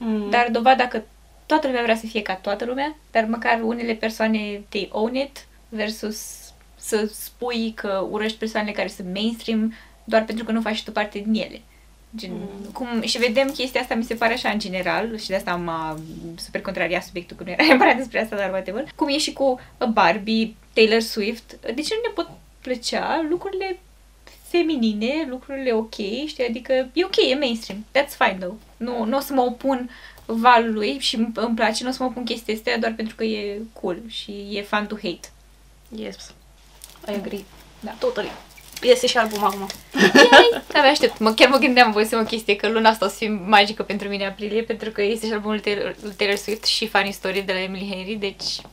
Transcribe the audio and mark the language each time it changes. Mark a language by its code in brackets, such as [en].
[ro] Dar dovada că toată lumea vrea să fie ca toată lumea, dar măcar unele persoane [en] they own it [ro] versus să spui că urăști persoanele care sunt mainstream doar pentru că nu faci tu parte din ele. Gen, cum, și vedem chestia asta, mi se pare așa în general, și de asta m-a super contrariat subiectul, că nu era neapărat despre asta, dar whatever. Cum e și cu Barbie, Taylor Swift, de ce nu ne pot plăcea lucrurile feminine, lucrurile ok, știi? Adică e ok, e mainstream, [en] that's fine though. [ro] Nu o să mă opun valului și îmi place, nu o să mă opun chestia asta doar pentru că e cool și e [en] fun to hate. Yes. I agree. [ro] Da. [en] Totally. [ro] Iese și albumul acum. Da, mă aștept. Chiar mă gândeam, voi să o chestie, că luna asta o să fie magică pentru mine, aprilie, pentru că iese și albumul Taylor Swift și Funny Story de la Emily Henry, deci...